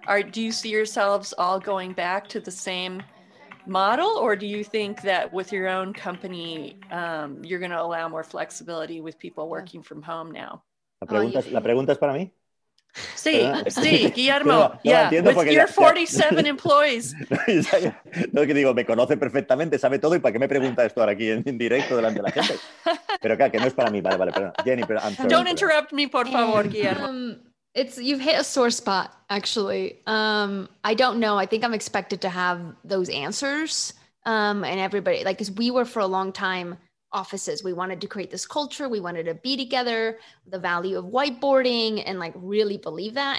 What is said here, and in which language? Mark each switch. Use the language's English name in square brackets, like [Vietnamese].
[English] Do you see yourselves all going back to the same model, or do you think that with your own company, you're going to allow more flexibility with people working from home now? [Spanish] La pregunta es para mí. Sí, sí, Guillermo. [English] Yeah, with your 47 employees. [Spanish] No, es que digo, me conoce perfectamente, sabe todo, y para qué me pregunta esto ahora aquí en directo delante de la gente. Pero claro, que no es para mí, vale, pero Jenny, pero I'm sorry. [English] Don't interrupt me, por favor, Guillermo. You've hit a sore spot, actually. I don't know. I think I'm expected to have those answers. And everybody, like, because we were for a long time offices. We wanted to create this culture. We wanted to be together, the value of whiteboarding, and like really believe that.